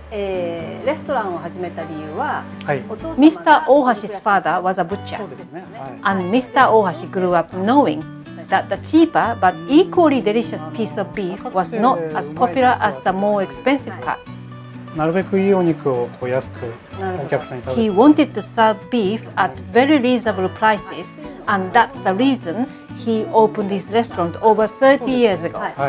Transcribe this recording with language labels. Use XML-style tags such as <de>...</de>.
<ja>レストランを始めた理由は、はい、お父様が</ja> <en>Mr. 大橋 's father was a butcher、</en> <ja>ね、</ja> <en>and Mr. 大橋 grew up knowing that the cheaper but equally delicious piece of beef was not as popular as the more expensive cut、</en> <ja>はい、なるべくいいお肉をこう安くお客さんに食べ</ja> <en>る。 He wanted to serve beef at very reasonable prices and that's the reasonHe opened this restaurant over 30 years ago.</en>